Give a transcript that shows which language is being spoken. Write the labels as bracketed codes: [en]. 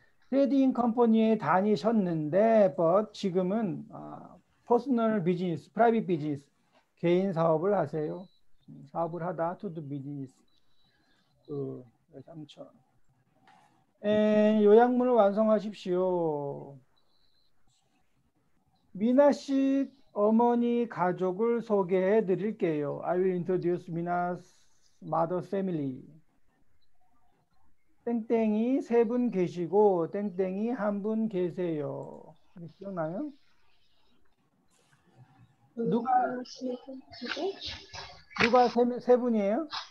[ko] 트레이딩 컴퍼니에 다니셨는데 but 지금은 퍼스널 비즈니스, 프라이빗 비즈니스. 개인 사업을 하세요. 사업을 하다 [en] to do business. [ko] 외삼촌. 요약문을 완성하십시오. 미나 씨 어머니 가족을 소개해 드릴게요. [en] I will introduce 미나's mother family. [ko] 땡땡이 세분 계시고 땡땡이 한분 계세요. 기억나요? 누가 세 분이에요?